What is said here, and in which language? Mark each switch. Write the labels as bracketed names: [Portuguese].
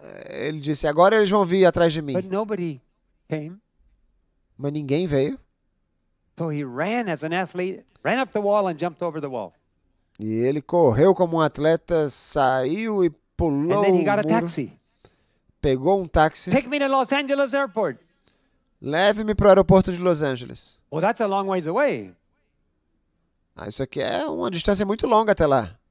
[Portuguese] Ele disse, agora eles vão vir atrás de mim. [English] But nobody came. [Portuguese] Mas ninguém veio. [English] So he ran as an athlete, ran up the wall and jumped over the wall. [Portuguese] E ele correu como um atleta, saiu e pulou. [English] And then he got a taxi. [Portuguese] Pegou um táxi. [English] Take me to Los Angeles Airport. [Portuguese] Leve-me para o aeroporto de Los Angeles. [English] Well, that's a long ways away. [Portuguese] Ah, isso aqui é uma distância muito longa até lá.